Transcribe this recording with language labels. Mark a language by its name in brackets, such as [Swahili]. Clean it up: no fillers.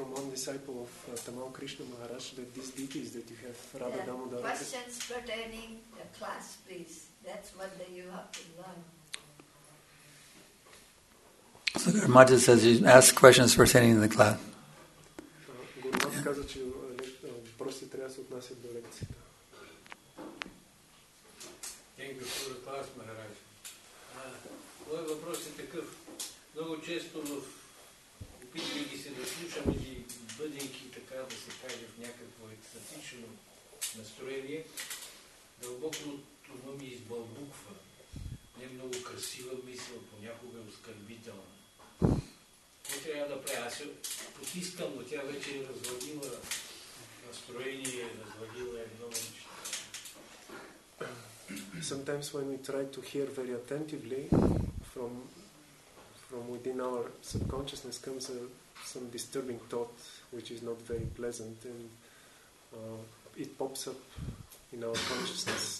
[English] Disciple of Tamal Krishna Maharaj that these deities that you have Radha Damodara. Questions pertaining the class, please. That's what you have to learn. So Maharaj says you ask questions pertaining to the class. [Bulgarian] Гурмат каза, че въпросите трябва да се отнасят до лекцията. [English] Thank you for the class, Maharaj. [Bulgarian] Мой въпрос е такъв. Много често опитвайки се да слушам и бъдейки така да се каже в някакво екстатично настроение, дълбокото ума ми избълбуква. Не много красива мисъл, понякога оскърбителна. Какво трябва да правя? Аз се потискам, но тя вече е развалила настроение, развалила едно нещо. [English] Sometimes when we try to hear very attentively from within our subconsciousness comes some disturbing thought which is not very pleasant and it pops up in our consciousness.